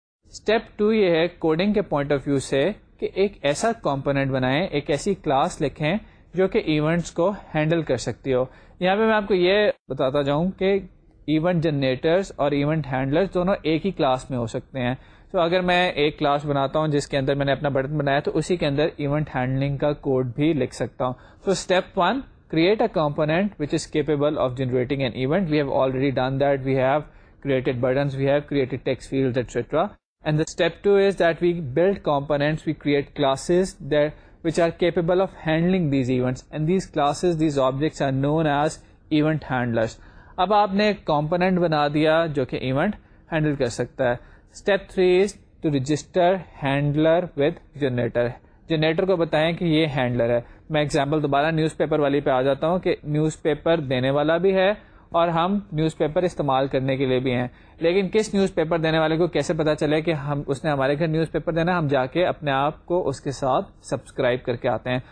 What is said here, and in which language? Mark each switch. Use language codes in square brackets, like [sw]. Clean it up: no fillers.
[ur] Step to یہ ہے coding کے پوائنٹ آف ویو سے کہ ایک ایسا کمپوننٹ بنائیں, ایک ایسی کلاس لکھیں جو کہ ایونٹس کو ہینڈل کر سکتی ہو. یہاں پہ میں آپ کو یہ بتاتا جاؤں کہ ایونٹ جنریٹرز اور ایونٹ ہینڈلرز دونوں ایک ہی کلاس میں ہو سکتے ہیں. تو اگر میں ایک کلاس بناتا ہوں جس کے اندر میں نے اپنا بٹن بنایا, تو اسی کے اندر ایونٹ ہینڈلنگ کا کوڈ بھی لکھ سکتا ہوں. [en] So step one, create a component which is capable of generating an event. We have already done that. We have created buttons, we have created text fields etcetera. And the step two is that we build components, we create classes that which are capable of handling these events. And these classes, these objects are known as event handlers. [ur] اب آپ نے ایک component بنا دیا جو کہ event handle کر سکتا ہے. [en] Step 3 is to register handler with generator. [ur] Generator کو بتائیں کہ یہ handler ہے. میں example دوبارہ نیوز پیپر والی پہ آ جاتا ہوں کہ نیوز پیپر دینے والا بھی ہے اور ہم نیوز پیپر استعمال کرنے کے لیے بھی ہیں, لیکن کس نیوز پیپر دینے والے کو کیسے پتا چلے کہ ہم اس نے ہمارے گھر نیوز پیپر دینا ہے. ہم جا کے اپنے آپ کو اس کے ساتھ سبسکرائب کر کے آتے ہیں.